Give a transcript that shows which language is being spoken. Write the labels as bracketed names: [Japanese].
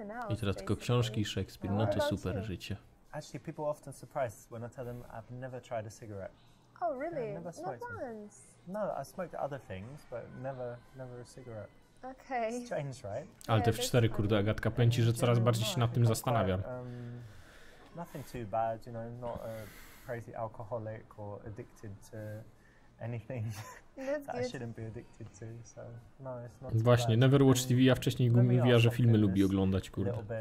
[Polish] I teraz tylko książki i Shakespeare, no to super życie. [English] Actually, people are often surprised when I tell them I've never tried a cigarette. Oh, really? Not once. No, I smoked other things, but never a cigarette. Okay. Strange, right? [Polish] Ale te F4, kurde, Agatka pęci, że coraz bardziej się nad tym zastanawiam. [English] Nothing too bad, you know, not a crazy alcoholic or addicted to anything. That I shouldn't be addicted to, so no, it's not. [Polish] Właśnie, [English] never watch TV, [Polish] a wcześniej mówiła, że filmy lubi oglądać, kurde.